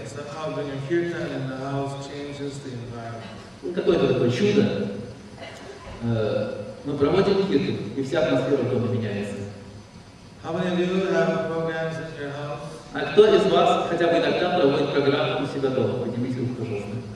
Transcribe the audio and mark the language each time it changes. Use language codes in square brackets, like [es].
[en] Somehow when you're kirtan and the house changes the environment. [ru] Какое-то такое чудо. Мы проводим кирту, и вся атмосфера дома меняется. [en] How many of you have programs in your house? [ru] А кто из вас хотя бы иногда проводит программу у себя дома? Поднимите руку, пожалуйста.